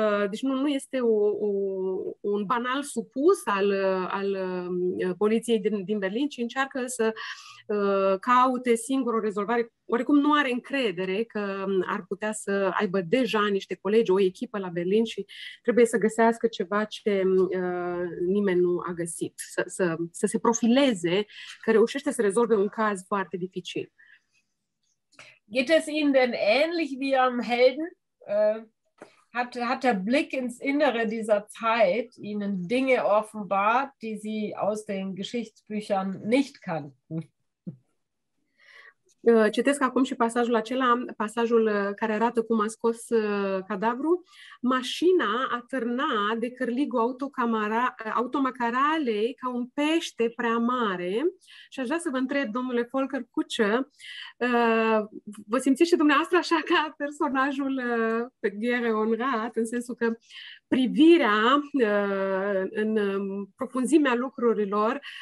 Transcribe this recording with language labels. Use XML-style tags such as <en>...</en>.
<ro>Deci nu este un banal supus al poliției din Berlin, ci încearcă să caute singur o rezolvare. Oricum nu are încredere că ar putea să aibă deja niște colegi, o echipă la Berlin și trebuie să găsească ceva ce nimeni nu a găsit, să se profileze, că reușește să rezolve un caz foarte dificil.</ro> <de>Geht es Ihnen denn ähnlich wie am Helden? Hat der Blick ins Innere dieser Zeit Ihnen Dinge offenbart, die Sie aus den Geschichtsbüchern nicht kannten?</de> <ro>Citesc acum și pasajul acela, pasajul care arată cum a scos cadavru. Mașina atârna de cârligul automacaralei ca un pește prea mare. Și aș vrea să vă întreb, domnule Volker Kutscher, vă simțiți și dumneavoastră așa ca personajul Gereon Rath, în sensul că privirea în profunzimea lucrurilor</ro>